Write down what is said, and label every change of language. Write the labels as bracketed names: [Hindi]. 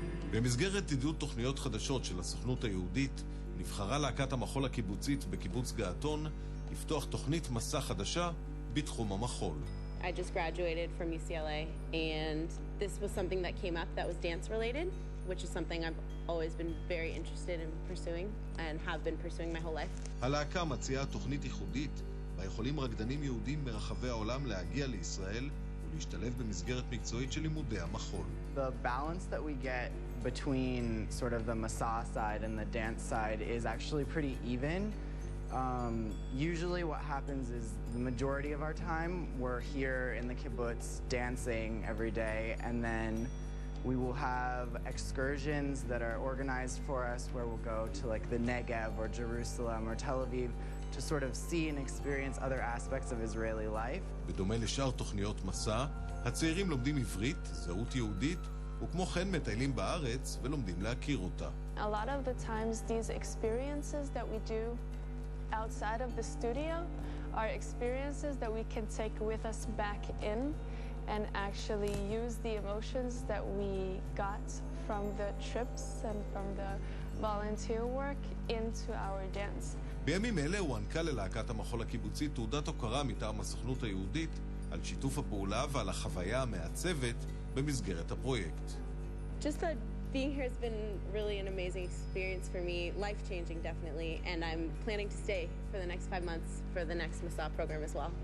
[Hebrew] במסגרת עידוד תוכניות חדשות של הסוכנות היהודית, נבחרה להקת המחול הקיבוצית בקיבוץ געתון לפתוח תוכנית מסע חדשה בתחום המחול. [English] I just graduated from UCLA and this was something that came up that was dance related, which is something I've always been very interested in pursuing and have been pursuing my whole life. [Hebrew] הלהקה מציעה תוכנית ייחודית בה יכולים רקדנים יהודים מרחבי העולם להגיע לישראל ולהשתלב במסגרת מקצועית של לימודי המחול. [English] The balance that we get between sort of the massage side and the dance side is actually pretty even. Usually what happens is the majority of our time we're here in the kibbutz dancing every day, and then we will have excursions that are organized for us where we'll go to like the Negev or Jerusalem or Tel Aviv to sort of see and experience other aspects of Israeli life. [Hebrew] בדומה לשאר תוכניות מסע, הצעירים לומדים עברית, זהות יהודית, וכמו כן מטיילים בארץ ולומדים להכיר אותה. [English] A lot of the times these experiences that we do outside of the studio are experiences that we can take with us back in and actually use the emotions that we got from the trips and from the volunteer work into our dance. [Hebrew] בימים אלה הוענקה ללהקת המחול הקיבוצית תעודת הוקרה מטעם הסוכנות היהודית על שיתוף הפעולה ועל החוויה המעצבת במסגרת הפרויקט. [English] Just a Being here has been really an amazing experience for me, life-changing definitely, and I'm planning to stay for the next 5 months for the next massage program as well.